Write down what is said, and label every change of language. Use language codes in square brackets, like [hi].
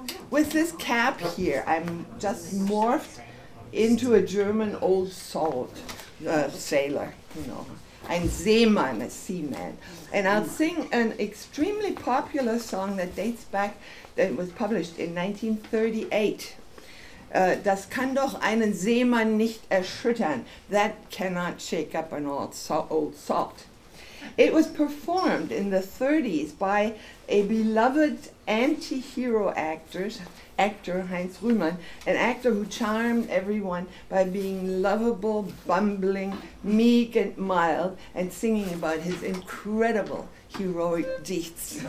[en] With this cap here, I'm just morphed into a German old salt sailor, you know. [de] Ein Seemann, [en] a seaman. And I'll sing an extremely popular song that dates back. It was published in 1938. [de] Das kann doch einen Seemann nicht erschüttern. [en] That cannot shake up an old salt. It was performed in the 30s by a beloved anti-hero actor Heinz Rühmann, an actor who charmed everyone by being lovable, bumbling, meek and mild, and singing about his incredible heroic deeds.